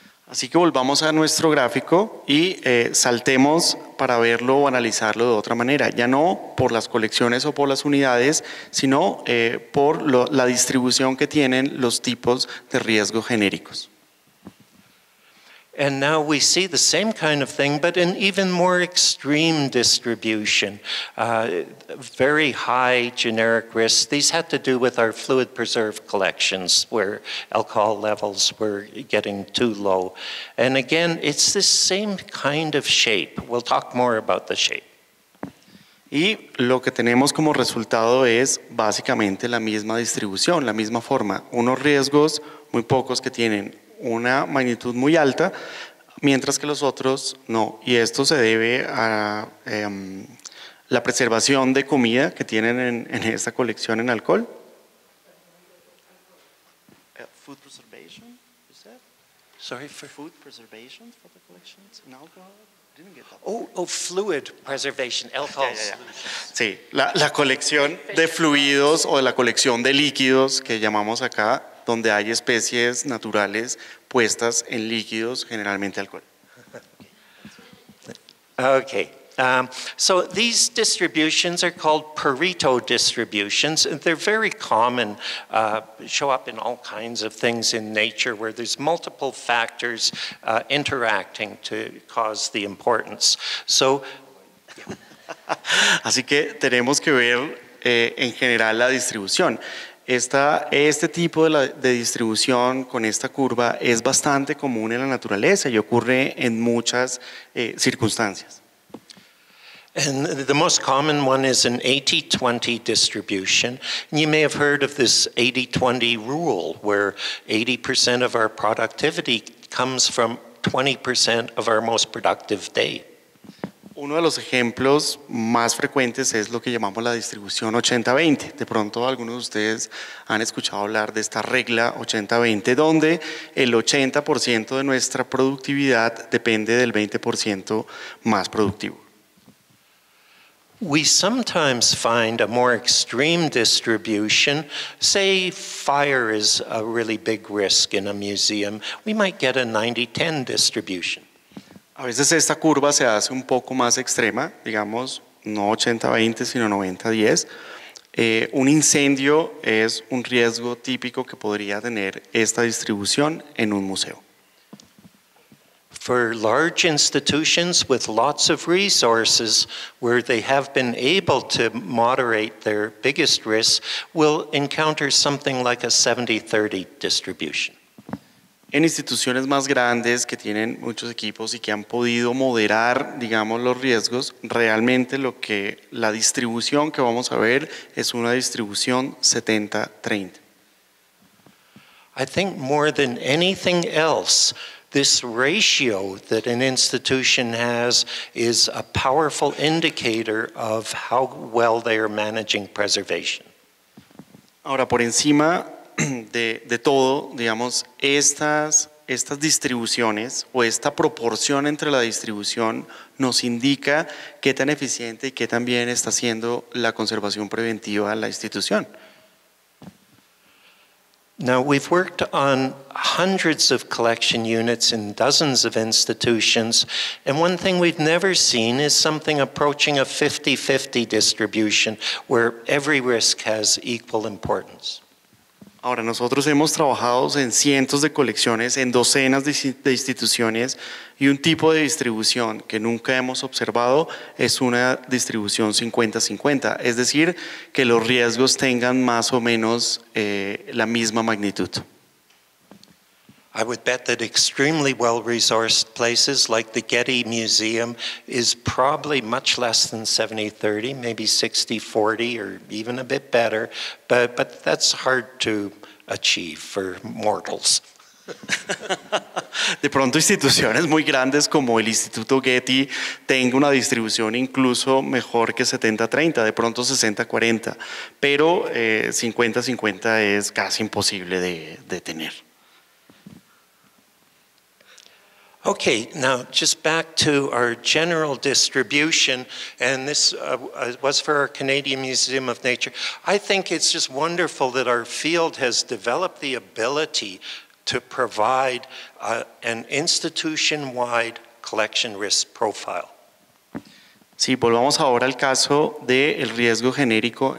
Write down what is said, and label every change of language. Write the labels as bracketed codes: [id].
[es] Así que volvamos a nuestro gráfico y saltemos para verlo o analizarlo de otra manera. Ya no por las colecciones o por las unidades, sino por la distribución que tienen los tipos de riesgos genéricos. [en] And now we see the same kind of thing, but an even more extreme distribution. Very high generic risk. These had to do with our fluid preserve collections, where alcohol levels were getting too low. And again, it's the same kind of shape. We'll talk more about the shape. [es] Y lo que tenemos como resultado es básicamente la misma distribución, la misma forma. Unos riesgos muy pocos que tienen una magnitud muy alta, mientras que los otros no. Y esto se debe a la preservación de comida que tienen en esta colección en alcohol. [en] Food preservation, you said? Sorry, food preservation for the collections in alcohol? Fluid preservation, alcohol solutions. [es] Sí, la colección de fluidos o la colección de líquidos que llamamos acá, donde hay especies naturales puestas en líquidos, generalmente alcohol. [en] Okay. So these distributions are called Pareto distributions, and they're very common, show up in all kinds of things in nature where there's multiple factors interacting to cause the importance. So, yeah. [es] Así que tenemos que ver en general la distribución. Este tipo de distribución con esta curva es bastante común en la naturaleza y ocurre en muchas circunstancias. [en] And the most common one is an 80-20 distribution. And you may have heard of this 80-20 rule, where 80% of our productivity comes from 20% of our most productive day. [es] Uno de los ejemplos más frecuentes es lo que llamamos la distribución 80-20. De pronto, algunos de ustedes han escuchado hablar de esta regla 80-20, donde el 80% de nuestra productividad depende del 20% más productivo. [en] We sometimes find a more extreme distribution. Say fire is a really big risk in a museum. We might get a 90-10 distribution. [es] A veces esta curva se hace un poco más extrema, digamos, no 80-20, sino 90-10. Un incendio es un riesgo típico que podría tener esta distribución en un museo. [en] For large institutions with lots of resources, where they have been able to moderate their biggest risks, will encounter something like a 70-30 distribution. [es] En instituciones más grandes que tienen muchos equipos y que han podido moderar, digamos, los riesgos, realmente lo que la distribución que vamos a ver es una distribución 70-30. [en] I think more than anything else, this ratio that an institution has is a powerful indicator of how well they are managing preservation. [es] Ahora, por encima de todo, digamos, estas distribuciones o esta proporción entre la distribución nos indica qué tan eficiente y qué tan bien está haciendo la conservación preventiva la institución. [en] Now, we've worked on hundreds of collection units in dozens of institutions, and one thing we've never seen is something approaching a 50-50 distribution where every risk has equal importance. [es] Ahora, nosotros hemos trabajado en cientos de colecciones, en docenas de instituciones, y un tipo de distribución que nunca hemos observado es una distribución 50-50, es decir, que los riesgos tengan más o menos la misma magnitud. [en] I would bet that extremely well-resourced places like the Getty Museum is probably much less than 70-30, maybe 60-40 or even a bit better, but that's hard to achieve for mortals. [es] De pronto instituciones muy grandes como el Instituto Getty tengan una distribución incluso mejor que 70-30, de pronto 60-40, pero 50-50 es casi imposible de tener. [en] Okay, now just back to our general distribution, and this was for our Canadian Museum of Nature. I think it's just wonderful that our field has developed the ability to provide an institution-wide collection risk profile. [es] Sí, volvamos ahora al caso del riesgo genérico.